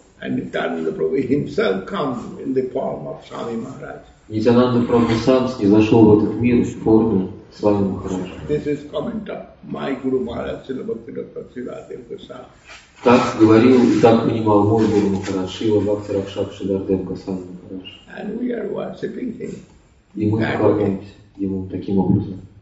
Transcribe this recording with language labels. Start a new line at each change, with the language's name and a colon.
English: And Nityananda Prabhu himself come in the form of Swami Maharaj.
Russian: Nityananda Prabhu сам снизошел в этот мир в форме Свами Махараджа.
English: This is comment of my Guru Maharaj, Srila Bhakti Dr. Siddhartha Goswami.
Russian: Так говорил и так понимал мой Гуру Махарадж, Шрила Бхакти Ракшак Шидарден Касан
English: Махарадж. And we are worshipping him.
Russian: И мы поклоняемся ему таким образом.